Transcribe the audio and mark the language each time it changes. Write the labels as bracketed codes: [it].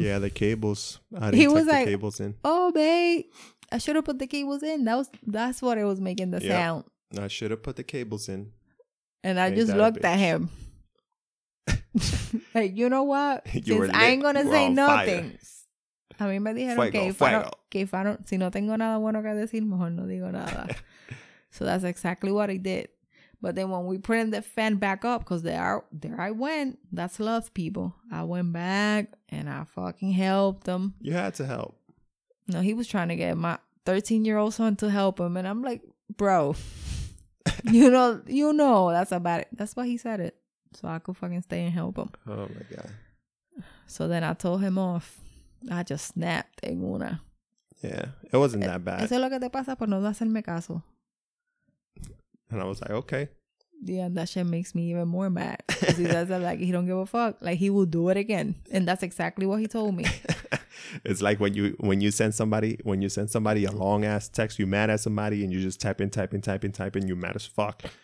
[en] Yeah, the cables. He was like, cables in. "Oh, babe, I should have put the cables in. That's what it was making the sound. I should have put the cables in." And I just looked at him. Like, you know what? Since I ain't gonna say nothing. [es] A mí me dijeron que si no tengo nada bueno que decir, mejor no digo nada. [en] So that's exactly what I did. But then when we put in the fan back up, because there I went. That's love, people. I went back and I fucking helped him. You had to help. No, he was trying to get my 13-year-old son to help him. And I'm like, bro, you know, that's about it. That's why he said it. So I could fucking stay and help him. Oh, my God. So then I told him off. I just snapped [es] en una. [en] Yeah, it wasn't that bad. [es] Eso es lo que te pasa por no hacerme caso. [en] And I was like, okay. Yeah, and that shit makes me even more mad. Because he does that, like, he don't give a fuck. Like, he will do it again. And that's exactly what he told me. It's like when you send somebody a long-ass text, you mad at somebody, and you just type in, you mad as fuck.